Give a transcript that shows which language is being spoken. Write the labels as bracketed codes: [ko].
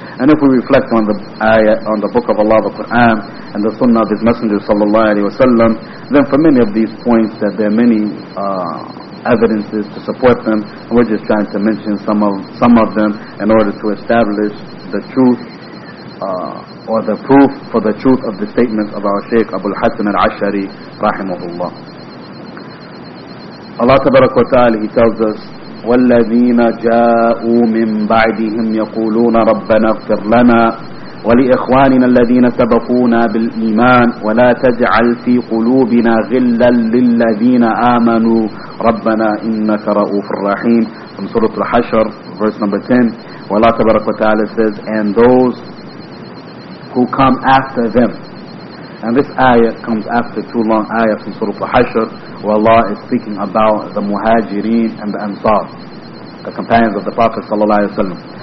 [en] And if we reflect on the ayah, on the book of Allah, the Quran, and the sunnah of His Messenger sallallahu alayhi wa sallam, then for many of these points that there are many evidences to support them, and we're just trying to mention some of them in order to establish the truth, or the proof for the truth of the statements of our Shaykh Abu al-Hasan al-Ashari rahimahullah. Allah tabarak wa ta'ala, He tells us, [ar] وَالَّذِينَ جَاءُوا مِن بَعْدِهِمْ يَقُولُونَ رَبَّنَا اغْفِرْ لَنَا وَلِإِخْوَانِنَا الَّذِينَ سَبَقُونَا بِالْإِيمَانِ وَلَا تَجْعَلْ فِي قُلُوبِنَا غِلًّا لِلَّذِينَ آمَنُوا رَبَّنَا إِنَّكَ رَؤُوفٌ رَحِيمٌ. [en] From Surah Al-Hashr, verse number 10, where Allah tabarak wa ta'ala says, and those who come after them. And this ayah comes after two long ayahs in Surah Al-Hashr, where Allah is speaking about the Muhajireen and the Ansar, the companions of the Prophet sallallahu alayhi wa sallam.